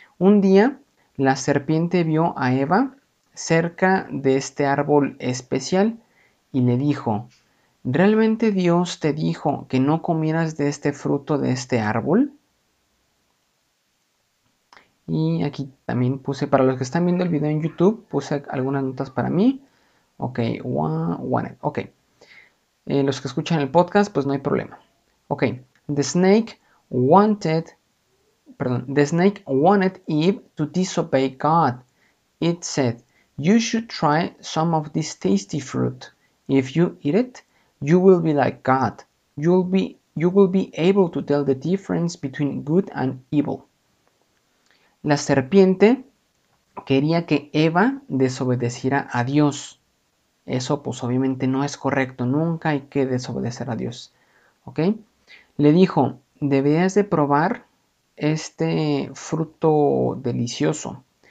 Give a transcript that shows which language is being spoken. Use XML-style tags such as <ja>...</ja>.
<es>Un día, la serpiente vio a Eva cerca de este árbol especial y le dijo, ¿realmente Dios te dijo que no comieras de este fruto de este árbol? Y aquí también puse, para los que están viendo el video en YouTube, puse algunas notas para mí. Ok, ok. Los que escuchan el podcast, pues no hay problema.</es> <en>Ok, the snake wanted Eve to disobey God. It said, you should try some of this tasty fruit. If you eat it, you will be like God. You will be able to tell the difference between good and evil.</en> <es>La serpiente quería que Eva desobedeciera a Dios. Eso, pues, obviamente no es correcto. Nunca hay que desobedecer a Dios. ¿Ok? Le dijo, deberías de probar este fruto delicioso.</es>